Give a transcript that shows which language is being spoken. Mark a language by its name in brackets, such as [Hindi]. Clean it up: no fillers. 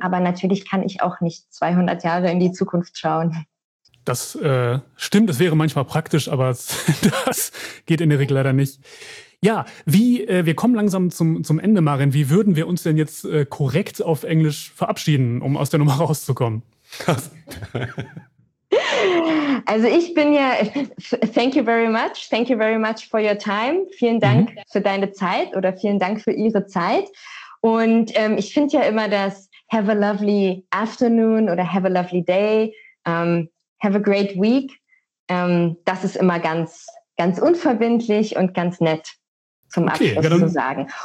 [German] Aber natürlich kann ich auch nicht 200 Jahre in die Zukunft schauen. Das stimmt, es wäre manchmal praktisch, aber das geht in der Regel leider nicht. Ja, wir kommen langsam zum Ende, Marin. Wie würden wir uns denn jetzt korrekt auf Englisch verabschieden, um aus der Nummer rauszukommen? Also ich bin ja, [English] thank you very much for your time. [German] Vielen Dank für deine Zeit oder vielen Dank für Ihre Zeit. Und ich finde ja immer das [English] have a lovely afternoon oder have a lovely day, have a great week. [German] Das ist immer ganz, ganz unverbindlich und ganz nett zum Abschluss zu sagen.